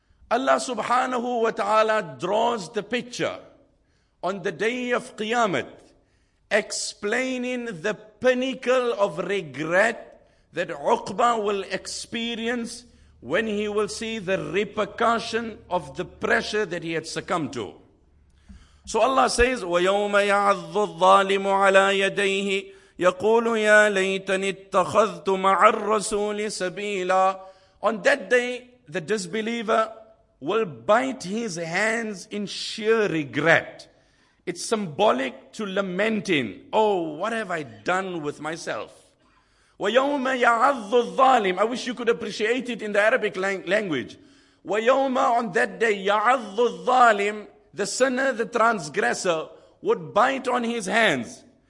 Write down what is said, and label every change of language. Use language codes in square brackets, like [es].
[en] Allah subhanahu wa ta'ala draws the picture on the day of Qiyamah, explaining the pinnacle of regret that Uqba will experience when he will see the repercussion of the pressure that he had succumbed to. So Allah says, [ar] وَيَوْمَ يَعَضُّ الظَّالِمُ عَلَىٰ يَدَيْهِ يَقُولُ يَا لَيْتَنِ اتَّخَذْتُ مَعَ الرَّسُولِ سَبِيلًا. [en] On that day, the disbeliever will bite his hands in sheer regret. It's symbolic to lamenting. Oh, what have I done with myself? [ar] وَيَوْمَ يَعَضُّ الظَّالِمُ. [en] I wish you could appreciate it in the Arabic language. [ar] وَيَوْمَ, [en] on that day, [ar] يَعَضُّ الظَّالِمُ, [en] the sinner, the transgressor, would bite on his hands.